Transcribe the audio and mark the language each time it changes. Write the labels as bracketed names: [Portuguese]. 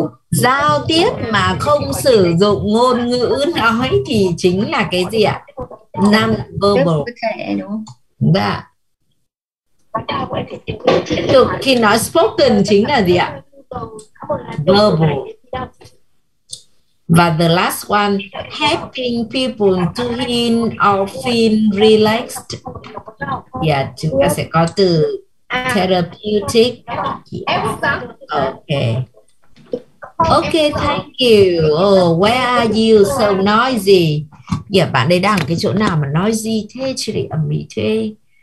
[Vietnamese] Giao tiếp mà không sử dụng ngôn ngữ nói thì chính là cái gì ạ? [English] Non-verbal. [Vietnamese] Dạ. Được, khi nói spoken chính là gì ạ? [English] Verbal. Và the last one, helping people to heal or feel relaxed. [Vietnamese] Yeah, chúng ta sẽ có từ therapeutic. [English] Yeah. Okay. Okay, thank you. Oh, where are you? So noisy. [Vietnamese] Yeah, bạn đây đang ở cái chỗ nào mà noisy thế? Chị để ẩm mỹ thế.